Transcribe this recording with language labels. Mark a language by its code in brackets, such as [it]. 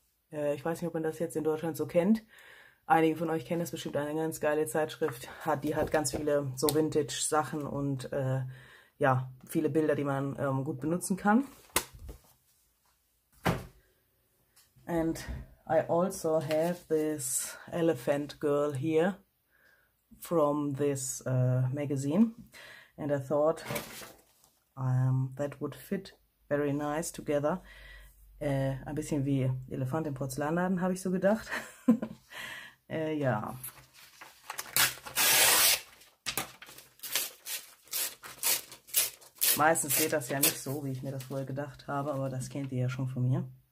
[de] Ich weiß nicht, ob man das jetzt in Deutschland so kennt. Einige von euch kennen das bestimmt, eine ganz geile Zeitschrift. Die hat ganz viele so Vintage-Sachen und viele Bilder, die man gut benutzen kann. [en] And I also have this elephant girl here from this magazine. And I thought that would fit very nice together. [de] Ein bisschen wie Elefant im Porzellanladen, habe ich so gedacht. ja. Meistens geht das ja nicht so, wie ich mir das vorher gedacht habe, aber das kennt ihr ja schon von mir.